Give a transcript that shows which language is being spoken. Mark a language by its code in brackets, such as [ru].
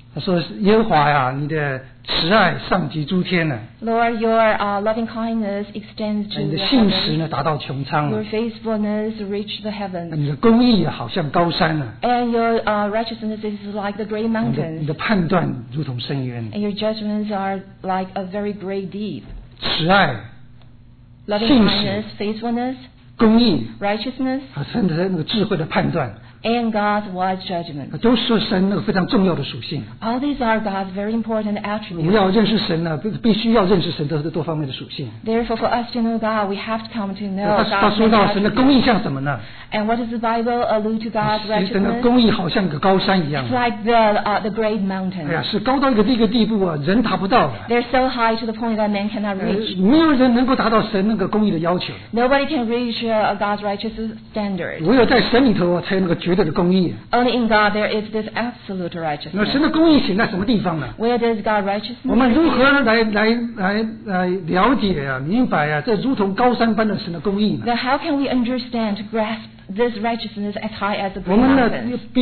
[zh] 他说：“耶和华呀，你的慈爱上及诸天呢。 [en] Lord, your loving kindness extends to the heavens. [zh] 你的信实呢达到穹苍了。 [en] Your faithfulness reached the heavens. [zh] 你的公义好像高山呢。 [en] And your righteousness is like the great mountains. [zh] 你的判断如同深渊。 [en] And your judgments are like a very great deep. [zh] 慈爱、 [en] loving kindness, faithfulness, [zh] 公义、 [en] righteousness, [zh] 和神的那个智慧的判断。 [en] And God's wise judgment. [zh] 都是神那个非常重要的属性。 [en] All these are God's very important attributes. [zh] 我们要认识神呢，必须要认识神的多方面的属性。 [en] Therefore, for us to know God, we have to come to know God. [zh] 他说到神的公义像什么呢？ [en] And what does the Bible allude to God's righteousness? [zh] 神的公义好像一个高山一样。 [en] It's like the great mountain. [zh] 哎呀，是高到一个地步啊，人达不到。 [en] They're so high to the point that man cannot reach. [zh] 没有人能够达到神那个公义的要求。 [en] Nobody can reach God's righteous standard. [zh] 唯有在神里头才有那个绝对的公义。 [en] Only in God there is this absolute righteousness. [zh] 那神的公义显在什么地方呢？ [en] Where does God's righteousness? [zh] 我们如何来了解啊，明白啊，这如同高山般的神的公义呢？ [en] Then how can we understand to grasp this righteousness as high as the promises.